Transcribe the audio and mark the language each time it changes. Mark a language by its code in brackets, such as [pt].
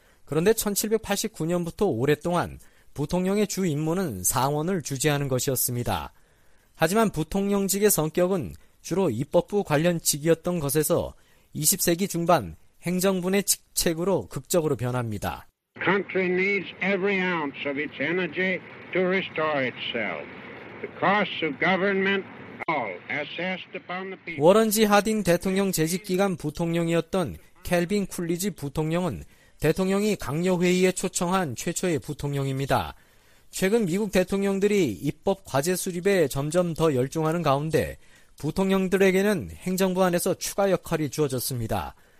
[ko] 그런데 1789년부터 오랫동안 부통령의 주 임무는 상원을 주재하는 것이었습니다. 하지만 부통령직의 성격은 주로 입법부 관련 직이었던 것에서 20세기 중반 행정부의 직책으로 극적으로 변합니다. [en] The country needs every ounce of its energy to restore itself. The costs of government all assessed upon the people. [ko] 워런지 하딩 대통령 재직 기간 부통령이었던 켈빈 쿨리지 부통령은 대통령이 강요회의에 초청한 최초의 부통령입니다. 최근 미국 대통령들이 입법 과제 수립에 점점 더 열중하는 가운데 부통령들에게는 행정부 안에서 추가 역할이 주어졌습니다.